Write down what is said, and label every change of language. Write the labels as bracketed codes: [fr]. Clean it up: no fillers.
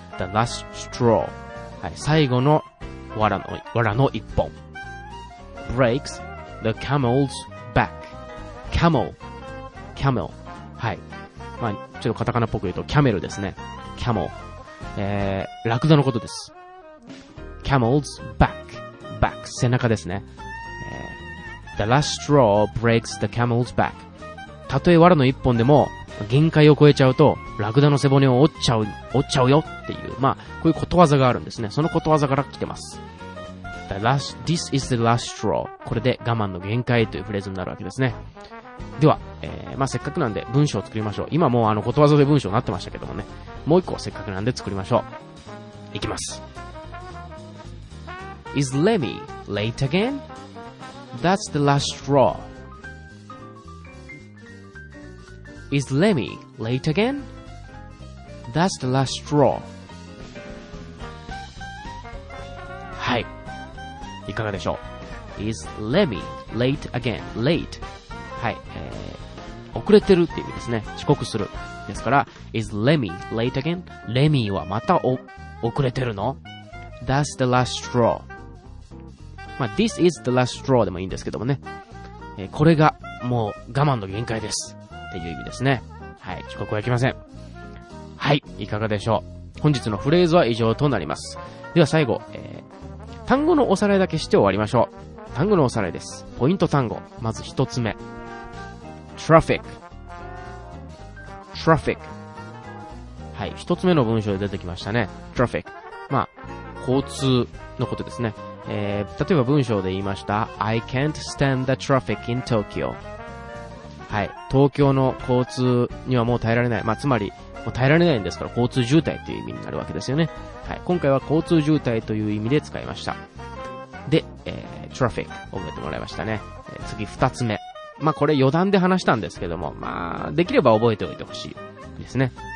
[en] The last straw、 [ja] はい、最後の藁の一本 [en] breaks the camel's back。 [ja] Camel はい、まあ、ちょっとカタカナっぽく言うとキャメルですね。 Camel、ラクダのことです。 Camel's back。 Back 背中ですね。 The last straw breaks the camel's back。たとえ藁の一本でも限界を超えちゃうとラクダの背骨を折っちゃうよっていう、まあこういうことわざがあるんですね。そのことわざから来てます。 [en] This is the last straw。 [ja] これで我慢の限界というフレーズになるわけですね。では、まあせっかくなんで文章を作りましょう。今もうことわざで文章になってましたけどもね、もう一個せっかくなんで作りましょう。いきます。 [en] Is Lemmy late againThat's the last straw. Is Lemmy late again? That's the last straw. [ja] はい。いかがでしょう? [en] Is Lemmy late again? Late. [ja] はい、遅れてるっていう意味ですね。遅刻する。ですから、 [en] Is Lemmy late again? [ja] Lemmy はまた遅れてるの? [en] That's the last straw. [ja] まあ、 [en] This is the last straw [ja] でもいいんですけどもね、これがもう我慢の限界ですっていう意味ですね。はい、遅刻はいけません。はい、いかがでしょう。本日のフレーズは以上となります。では最後、単語のおさらいだけして終わりましょう。単語のおさらいです。ポイント単語、まず一つ目、 Traffic。はい、一つ目の文章で出てきましたね。Traffic、 まあ交通のことですね。例えば文章で言いました。 [en] I can't stand the traffic in Tokyo. [ja] はい。東京の交通にはもう耐えられない。まあ、つまり、もう耐えられないんですから、交通渋滞という意味になるわけですよね。はい。今回は交通渋滞という意味で使いました。で、traffic 覚えてもらいましたね。次、二つ目。まあ、これ余談で話したんですけども、まあ、できれば覚えておいてほしいですね。